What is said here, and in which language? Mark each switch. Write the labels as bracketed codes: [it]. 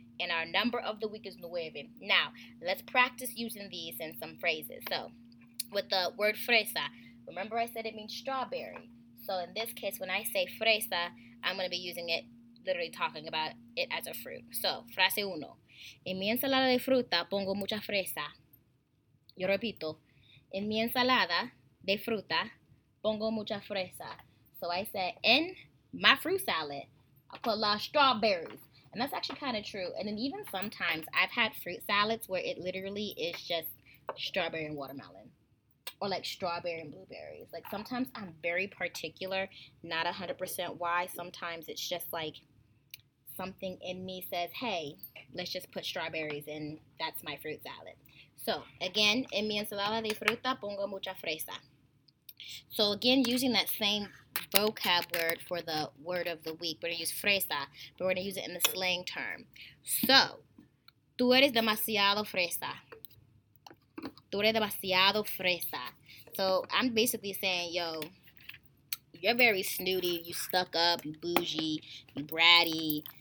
[en] And our number of the week is nueve. Now, let's practice using these in some phrases. So with the word fresa, remember I said it means strawberry. So in this case, when I say fresa, I'm going to be using it, literally talking about it as a fruit. [es] So frase uno. En mi ensalada de fruta pongo mucha fresa. Yo repito, en mi ensalada de fruta pongo mucha fresa. [en] So I said, in my fruit salad, I put a lot of strawberries. And that's actually kind of true. And then even sometimes I've had fruit salads where it literally is just strawberry and watermelon. Or like strawberry and blueberries. Like sometimes I'm very particular, not 100% why. Sometimes it's just like something in me says, hey, let's just put strawberries in. That's my fruit salad. So, again, [es] en mi ensalada de fruta pongo mucha fresa. [en] So, again, using that same vocab word for the word of the week, we're going to use fresa, but we're going to use it in the slang term. [es] So, tú eres demasiado fresa. Tú eres demasiado fresa. [en] So, I'm basically saying, yo, you're very snooty. You stuck up. You bougie. You bratty.